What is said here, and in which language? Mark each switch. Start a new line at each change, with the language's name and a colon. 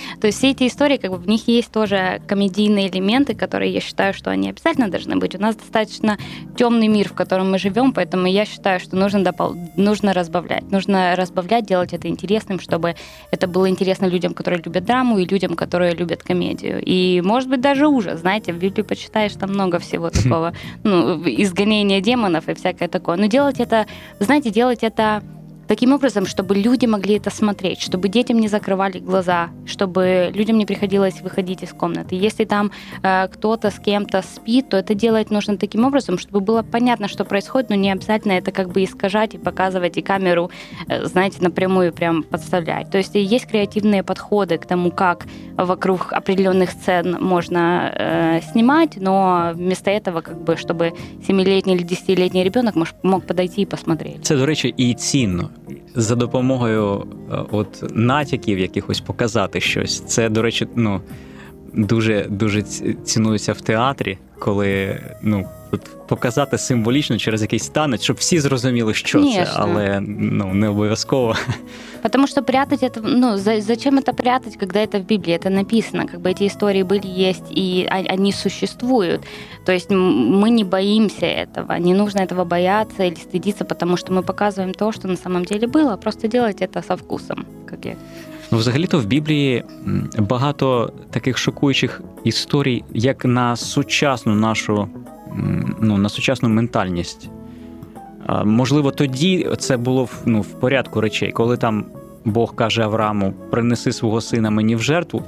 Ukrainian: Тобто всі ці історії, в них є теж комедійні елементи, які я вважаю, що вони обов'язково повинні бути. У нас достатньо темний мир, в якому ми живемо, тому я вважаю, що потрібно
Russian: Нужно разбавлять, делать это интересным, чтобы это было интересно людям, которые любят драму, и людям, которые любят комедию. И, может быть, даже ужас. Знаете, в Библии почитаешь, там много всего такого. Изгонение демонов и всякое такое. Но делать это таким образом, чтобы люди могли это смотреть, чтобы детям не закрывали глаза, чтобы людям не приходилось выходить из комнаты. Если там кто-то с кем-то спит, то это делать нужно таким образом, чтобы было понятно, что происходит, но не обязательно это как бы искажать и показывать, и камеру, знаете, напрямую прям подставлять. То есть есть креативные подходы к тому, как вокруг определенных сцен можно снимать, но вместо этого, как бы, чтобы 7-летний или 10-летний ребенок мог подойти и посмотреть.
Ukrainian: Це, до речі, і цінно. За допомогою от натяків якихось показати щось. Це, до речі, дуже-дуже цінується в театрі, коли показати символічно через якийсь танець, щоб всі зрозуміли, що
Russian: Конечно.
Ukrainian: Це, але не обов'язково.
Russian: Потому что прятать это, зачем это прятать, когда это в Библии, это написано, как бы эти истории были, есть, и они существуют. То есть мы не боимся этого, не нужно этого бояться или стыдиться, потому что мы показываем то, что на самом деле было, просто делать это со вкусом. Как я.
Ukrainian: Взагалі-то в Библии багато таких шокуючих історій, як на сучасну нашу, на сучасну ментальність. Можливо, тоді це було в порядку речей, коли там Бог каже Аврааму: принеси свого сина мені в жертву.